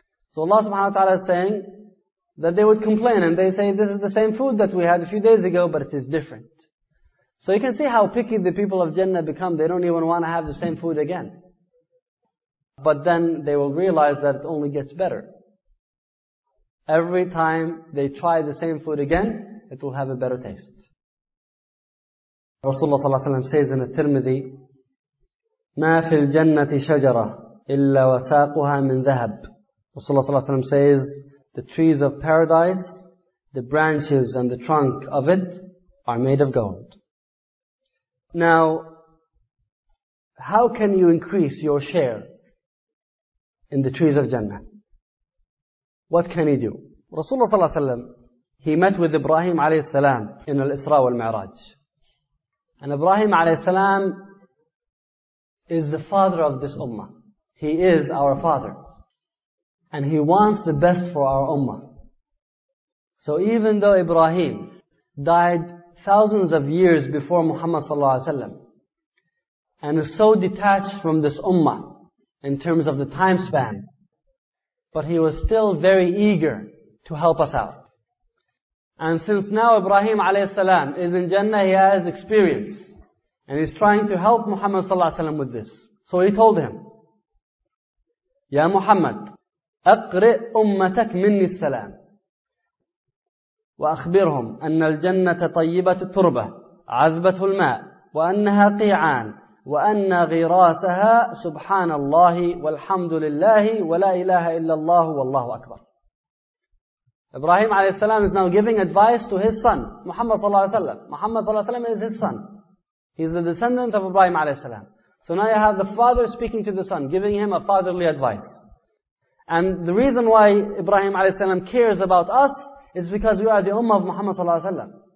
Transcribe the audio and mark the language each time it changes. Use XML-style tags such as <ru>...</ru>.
<en>So Allah subhanahu wa ta'ala is saying that they would complain, and they say, this is the same food that we had a few days ago, but it is different. So you can see how picky the people of Jannah become. They don't even want to have the same food again. But then they will realize that it only gets better. Every time they try the same food again, it will have a better taste.</en> <ar>Rasulullah sallallahu alaihi wasallam</ar> <en>says in</en> <ar>At-Tirmidhi, مَا فِي الْجَنَّةِ شَجَرَةٍ إِلَّا وَسَاقُهَا مِنْ ذَهَبٍ.</ar> <en>Rasulullah sallallahu alaihi wasallam says, the trees of paradise, the branches and the trunk of it are made of gold. Now, how can you increase your share in the trees of Jannah? What can you do? Rasulullah sallallahu alaihi wasallam, he met with Ibrahim alayhi salam in Al-Isra wal Mi'raj. And Ibrahim alayhi salam is the father of this ummah. He is our father. And he wants the best for our ummah. So even though Ibrahim died thousands of years before Muhammad sallallahu alaihi wasallam, and is so detached from this ummah in terms of the time span, but he was still very eager to help us out. And since now Ibrahim alayhi salam is in Jannah, he has experience. And he's trying to help Muhammad sallallahu alayhi wasallam with this. So he told him,</en> <ar>Ya Muhammad, أقرئ أمتك مني السلام وأخبرهم أن الجنة طيبة التربة عذبة الماء وأنها قيعان وأن غراسها سبحان الله والحمد لله ولا إله إلا الله والله أكبر.</ar> <en>Ibrahim عليه السلام is now giving advice to his son Muhammad صلى الله عليه وسلم. Muhammad صلى الله عليه وسلم is his son. He is the descendant of Ibrahim عليه السلام. So now you have the father speaking to the son, giving him a fatherly advice. And the reason why Ibrahim alayhi salam cares about us is because we are the ummah of Muhammad sallallahu alayhi wasallam.</en>